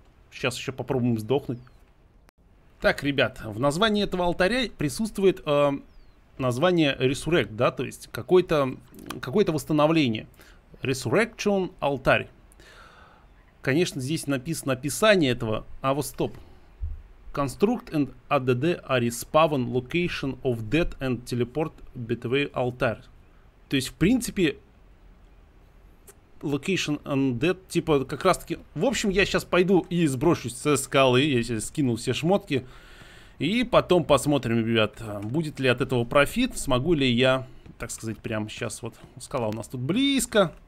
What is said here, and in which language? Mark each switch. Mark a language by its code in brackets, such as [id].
[ru] Сейчас еще попробуем сдохнуть. Так, ребят, в названии этого алтаря присутствует название Resurrect, да, то есть какое-то восстановление. Resurrection алтарь. Конечно, здесь написано описание этого, а вот стоп. [en] Construct and add a respawn location of dead and teleport between altar. [ru] То есть, в принципе... [en] Location undead, [ru] типа как раз таки. В общем, я сейчас пойду и сброшусь со скалы. Я сейчас скинул все шмотки. И потом посмотрим, ребят, будет ли от этого профит. Смогу ли я, так сказать, прямо сейчас. Вот скала у нас тут близко.